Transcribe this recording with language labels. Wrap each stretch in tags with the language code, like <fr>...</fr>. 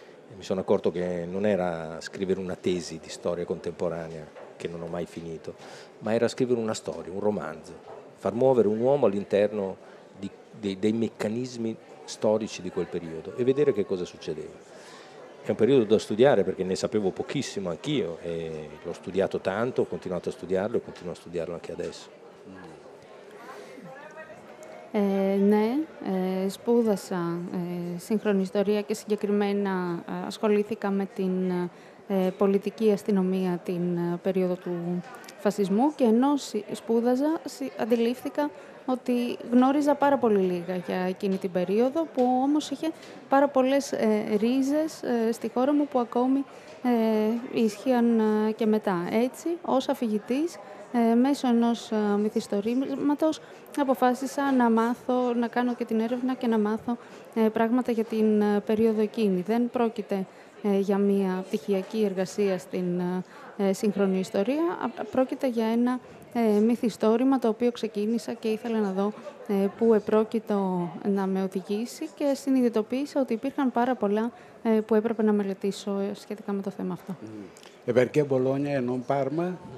<it>e mi sono accorto che non era scrivere una tesi di storia contemporanea, che non ho mai finito, ma era scrivere una storia, un romanzo, far muovere un uomo all'interno dei meccanismi storici di quel periodo e vedere che cosa succedeva. È un periodo da studiare perché ne sapevo pochissimo anch'io, e l'ho studiato tanto, ho continuato a studiarlo e continuo a studiarlo anche adesso.</it> <el>Ναι, σπούδασα σύγχρονη ιστορία και συγκεκριμένα ασχολήθηκα με την πολιτική αστυνομία την περίοδο του φασισμού, και ενώ σπούδαζα αντιλήφθηκα ότι γνώριζα πάρα πολύ λίγα για εκείνη την περίοδο, που όμως είχε πάρα πολλές ρίζες στη χώρα μου που ακόμη ίσχυαν και μετά. Έτσι, ως αφηγητής, μέσω ενός μυθιστορήματος, αποφάσισα να μάθω, να κάνω και την έρευνα και να μάθω πράγματα για την περίοδο εκείνη. Δεν πρόκειται για μία πτυχιακή εργασία στην σύγχρονη ιστορία, πρόκειται για ένα μυθιστόρημα το οποίο ξεκίνησα και ήθελα να δω πού επρόκειτο να με οδηγήσει, και συνειδητοποίησα ότι υπήρχαν πάρα πολλά που έπρεπε να μελετήσω σχετικά με το θέμα αυτό.</el> <it>Perché Bologna e non Parma?</it>